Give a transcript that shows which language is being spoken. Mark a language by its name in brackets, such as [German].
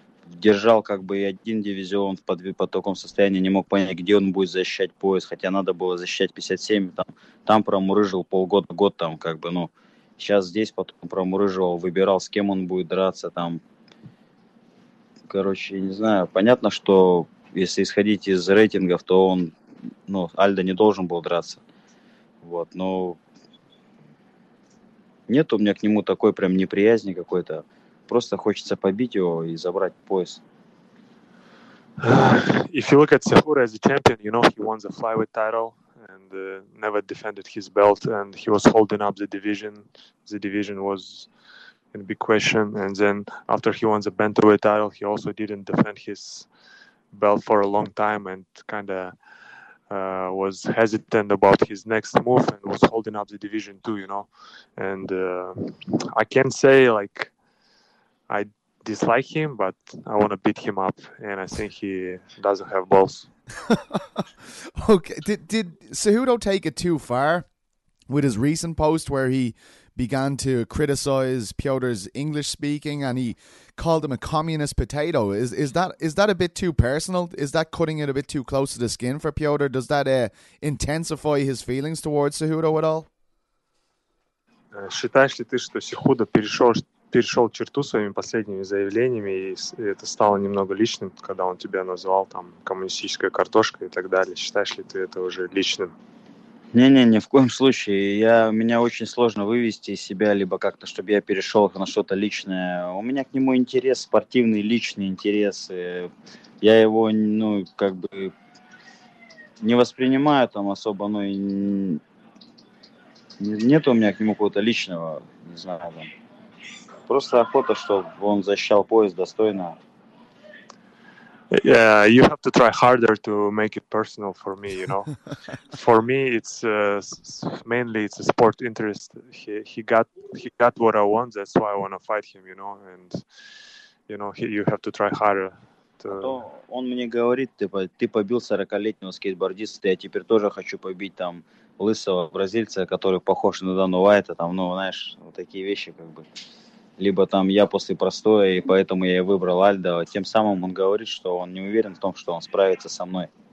[Russian] Держал как бы и один дивизион в потоком состоянии, не мог понять, где он будет защищать пояс, хотя надо было защищать 57, там промурыжил полгода, год там как бы, ну, сейчас здесь потом промурыжил, выбирал, с кем он будет драться там, короче, не знаю, понятно, что если исходить из рейтингов, то он, ну, Альдо не должен был драться, вот, но нет у меня к нему такой прям неприязни какой-то. Просто хочется побить его и забрать пояс. [English] If you look at Cejudo as a champion, you know he won the flyweight title and never defended his belt, and he was holding up the division. The division was in big question, and then after he won the bantamweight title, he also didn't defend his belt for a long time and kind of was hesitant about his next move and was holding up the division too, you know. And I can't say like. I dislike him, but I want to beat him up, and I think he doesn't have balls. Okay, did Cejudo take it too far with his recent post where he began to criticize Piotr's English speaking and he called him a communist potato? Is that a bit too personal? Is that cutting it a bit too close to the skin for Piotr? Does that intensify his feelings towards Cejudo at all? [Russian] Считаешь ли ты, что Cejudo перешел черту своими последними заявлениями, и это стало немного личным, когда он тебя назвал там коммунистической картошкой и так далее. Считаешь ли ты это уже личным? Не, ни в коем случае. Меня очень сложно вывести из себя, либо как-то, чтобы я перешел на что-то личное. У меня к нему интерес, спортивный, личный интерес. Я его, ну, как бы не воспринимаю там особо, ну, и нет у меня к нему какого-то личного, не знаю, там. Просто охота, чтобы он защищал пояс достойно. [English] you have to try harder to make it personal for me, you know. For me, it's mainly it's a sport interest. He got what I want. That's why I want to fight him, you know. And you know, you have to try harder. [Russian] То он мне говорит, типа, ты побил 40-летнего скейтбордиста, я теперь тоже хочу побить там лысого бразильца, который похож на Дана Уайта, там, ну, знаешь, вот такие вещи, как бы. Либо там я после простоя, и поэтому я и выбрал Альдо. Тем самым он говорит, что он не уверен в том, что он справится со мной.